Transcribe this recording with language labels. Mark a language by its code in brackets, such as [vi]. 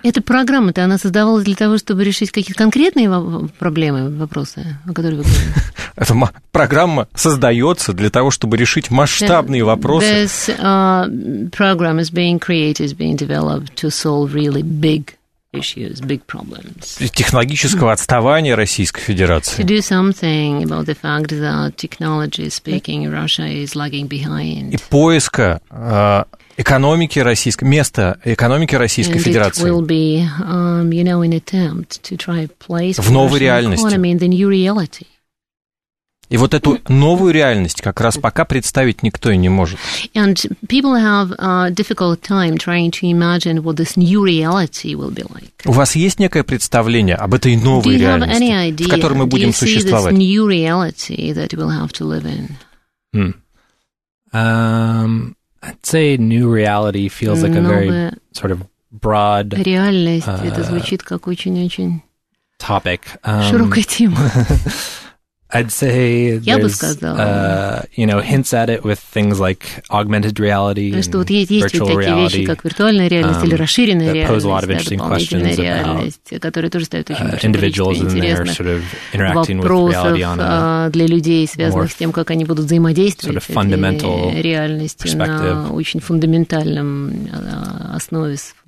[ru] Эта программа-то, она создавалась для того, чтобы решить какие-то конкретные проблемы, вопросы, о которых вы говорите. Эта программа создается для того, чтобы решить масштабные вопросы. [en] This program is being created, is being developed to solve really big issues, big problems. [ru] Технологического отставания Российской Федерации. [en] To do something about the fact that technology, speaking, Russia is lagging behind. [ru] И поиска экономики Российской, места экономики Российской [en] and [ru] Федерации. [en] Will be, you know, an attempt to try place [ru] в новой реальности. [en] Economy in the new reality. [ru] И вот эту новую реальность как раз пока представить никто и не может. [en] And people have a difficult time trying to imagine what this new reality will be like. [ru] У вас есть некое представление об этой новой реальности, в которой мы будем существовать? [en] Do you have any idea this new reality that we'll have to live in? I'd say new reality feels like a very sort of broad... [ru] Реальность, это звучит как очень-очень... [en] Topic. [ru] Широкая тема. [en] I'd say there's, you know, hints at it with things like augmented reality and virtual reality that pose a lot of interesting questions about individuals and their sort of interacting with reality on a more sort of fundamental perspective.